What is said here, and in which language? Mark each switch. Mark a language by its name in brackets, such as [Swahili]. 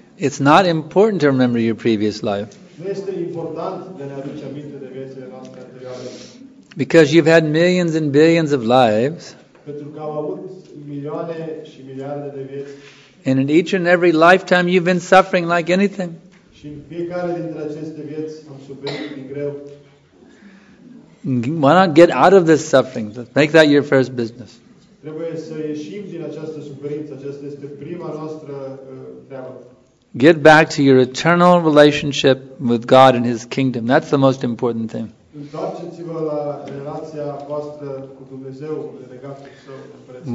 [English] It's not important to remember your previous life. [Romanian] Nu este important de ne aduce aminte de viețile noastre anterioare. [English] Because you've had millions and billions of lives. [Romanian] Pentru că au avut milioane și miliarde de vieți. [English] And in each and every lifetime you've been suffering like anything. [Romanian] Și în fiecare dintre aceste vieți am suferit din greu. [English] Why not get out of this suffering? Make that your first business. [Romanian] Trebuie să ieșim din această suferință. Aceasta este prima noastră treabă. [English] Get back to your eternal relationship with God and His kingdom. That's the most important thing. [Romanian] Întoarceți-vă la relația voastră cu Dumnezeu legată cu Său.